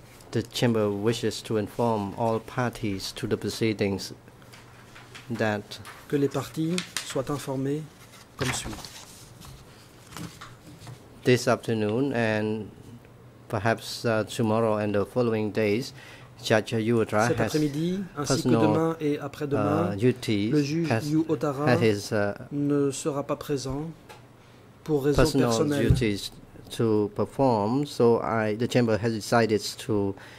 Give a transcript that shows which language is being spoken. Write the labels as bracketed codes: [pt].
[en] the chamber wishes to inform all parties to the proceedings that [fr] que les parties soient informées comme suit. [en] This afternoon and perhaps tomorrow and the following days, Judge Yuotara [fr] cet après-midi, ainsi que demain et après-demain, le juge Yuotara ne sera pas présent pour raisons [en] personal [fr] personnelles. [en] Duties to perform, so the chamber has decided to